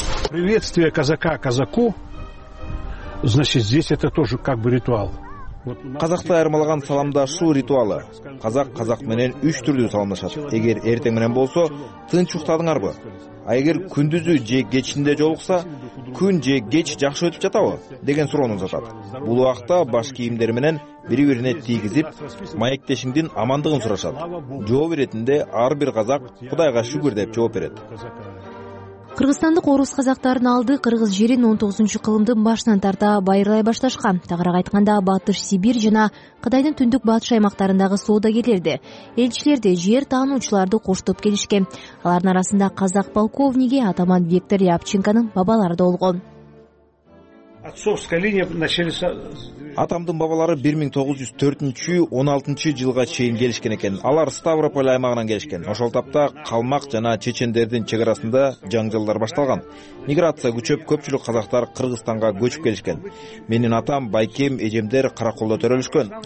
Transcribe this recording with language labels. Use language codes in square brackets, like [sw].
[ru] Приветствие казака казаку. Значит, здесь это тоже как бы ритуал. [ky] Казакты айырмалаган саламдашуу ритуалы. Казак казак менен үч түрдүү саламдашат. Эгер эртең менен болсо, тынч уктадыңарбы? А эгер күндүзү же кечинде жолукса, күн же кеч жакшы өтүп жатабы? Деген суроону жатат. Бул убакта баш кийимдер менен бири-бирине тийгизип, маектешимдин амандыгын сурашат. Жооп иретинде ар бир казак Кудайга шүгүр деп жооп берет. Кыргызстандык орус казактарын алды кыргыз жерин 19-чу кылымдын башынан тарта байырлай башташкан. Тагыраак айтканда Батыш Сибирь жана Кытайдын түндүк батыш аймактарындагы соодагерлерди, элчилерди, жер таануучуларды коштоп келишкен. Алардын арасында казак полковниги атаман Виктор Рябченконун бабалары да болгон. [ru] Отцовская линия начался. [ky] Атамдын бабалары 1904-16 жылга чейин келишкен экен. Алар Ставрополь аймагынан келишкен. Ошол тапта калмак жана чечендердин чек арасында жаңжалдар башталган. Миграция күчөп, көпчүлүк казактар Кыргызстанга көчүп келишкен. Менин атам, байкем, эжемдер караколдо төрөлүшкөн.